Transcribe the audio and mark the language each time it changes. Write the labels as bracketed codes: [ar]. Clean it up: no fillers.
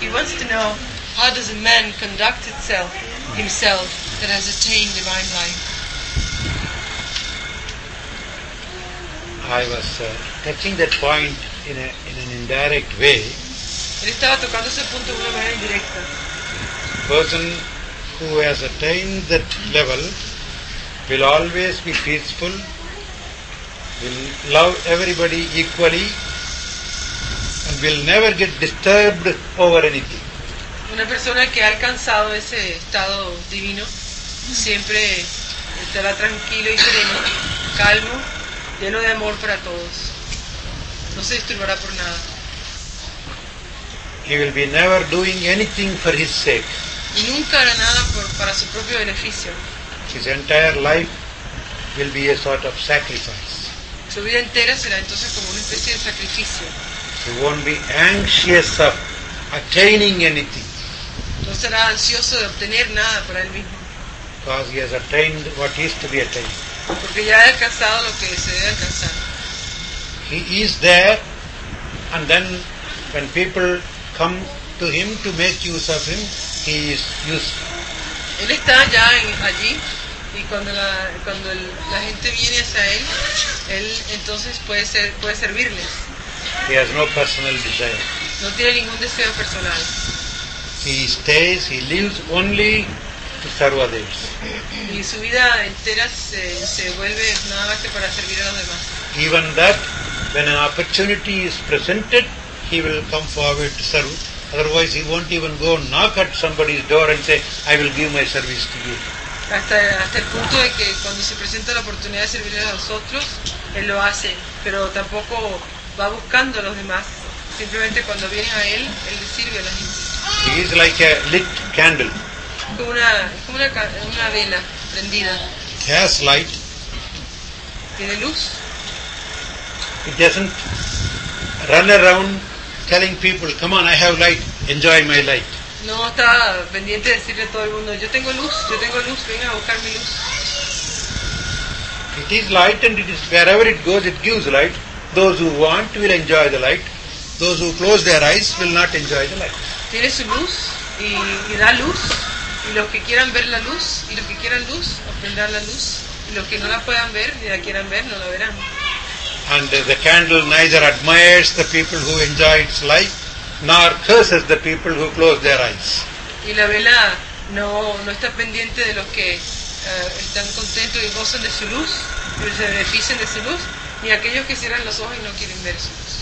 [en] He wants to know, how does a man conduct himself that has attained divine life? I was touching that point in an indirect way. [es] Él estaba tocando ese punto de una manera indirecta. [en] Person who has attained that level will always be peaceful, will love everybody equally, and will never get disturbed over anything. [es] Una persona que ha alcanzado ese estado divino siempre estará tranquilo y sereno, calmo, lleno de amor para todos. No se disturbará por nada. [en] He will be never doing anything for his sake. [es] Y nunca hará nada para su propio beneficio. [en] His entire life will be a sort of sacrifice. [es] Su vida entera será entonces como una especie de sacrificio. [en] He won't be anxious of attaining anything. [es] No será ansioso de obtener nada para él mismo. [en] Because he has attained what is to be attained. [es] Porque ya ha alcanzado lo que se debe alcanzar. [en] He is there, and then when people come to him to make use of him, he is useful. [es] Él está ya allí, y cuando la gente viene hacia él, él entonces puede servirles. [en] He has no personal desire. [es] No tiene ningún deseo personal. [en] He stays, he lives only to serve others. [es] Y su vida entera se vuelve nada más que para servir a los demás. [en] Even that, when an opportunity is presented, he will come forward to serve. Otherwise, he won't even go knock at somebody's door and say, "I will give my service to you." [es] Hasta el punto de que cuando se presenta la oportunidad de servir a los otros, él lo hace, pero tampoco va buscando a los demás. Simplemente cuando vienen a él, él les sirve a la gente. [en] He is like a lit candle. [es] Como una vela prendida. [en] It has light. [es] Tiene luz. [en] It doesn't run around telling people, "Come on, I have light, enjoy my light." [es] No está pendiente de decirle a todo el mundo, yo tengo luz, venga a buscar mi luz. [en] It is light, and it is wherever it goes, it gives light. Those who want will enjoy the light. Those who close their eyes will not enjoy the light. [es] Tiene su luz y da luz, y los que quieran ver la luz, y los que quieran luz, obtendrán la luz, y los que no la puedan ver, ni la quieran ver, no la verán. [en] And the candle neither admires the people who enjoy its light, nor curses the people who close their eyes. [es] Y la vela no está pendiente de los que están contentos y gozan de su luz, pero se benefician de su luz, ni aquellos que cierran los ojos y no quieren ver su luz.